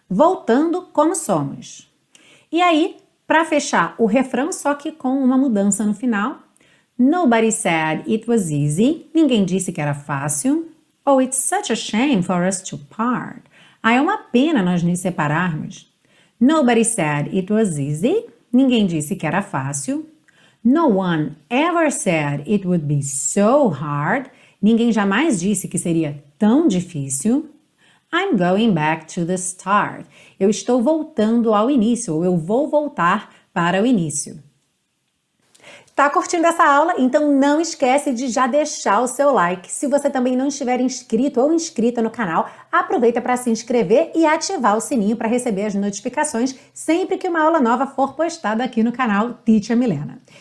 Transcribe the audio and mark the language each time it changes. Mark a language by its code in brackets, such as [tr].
[pt] Voltando como somos. E aí, para fechar o refrão, só que com uma mudança no final. [en] Nobody said it was easy. [pt] Ninguém disse que era fácil. [en] Oh, it's such a shame for us to part. [pt] Ah, é uma pena nós nos separarmos. [en] Nobody said it was easy. [pt] Ninguém disse que era fácil. [en] No one ever said it would be so hard. [pt] Ninguém jamais disse que seria tão difícil. [en] I'm going back to the start. [pt] Eu estou voltando ao início, ou eu vou voltar para o início. Tá curtindo essa aula? Então não esquece de já deixar o seu like. Se você também não estiver inscrito ou inscrita no canal, aproveita para se inscrever e ativar o sininho para receber as notificações sempre que uma aula nova for postada aqui no canal Teacher Milena.